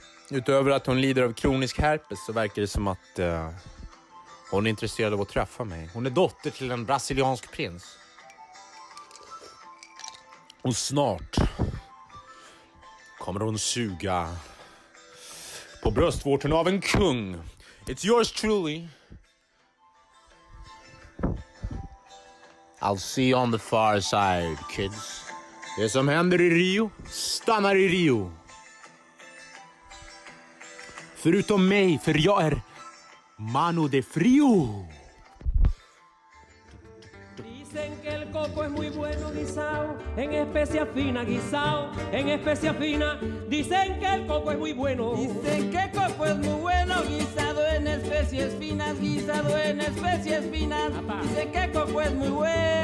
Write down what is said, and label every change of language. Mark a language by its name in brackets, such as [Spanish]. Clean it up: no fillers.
[Swedish] Utöver att hon lider av kronisk herpes så verkar det som att hon är intresserad av att träffa mig. Hon är dotter till en brasiliansk prins. Och snart kommer hon suga på bröstvårten av en kung. [English] It's yours truly. I'll see you on the far side, kids. [Swedish] Det som händer i Rio stannar i Rio. Förutom mig, för jag är [Spanish] mano de frio. Dicen que el coco es muy bueno guisao, en especia fina guisao, en especia fina. Dicen que el coco es muy bueno. Dicen que el coco es muy bueno guisado en especies finas, guisado en especies finas. Dicen que el coco es muy bueno.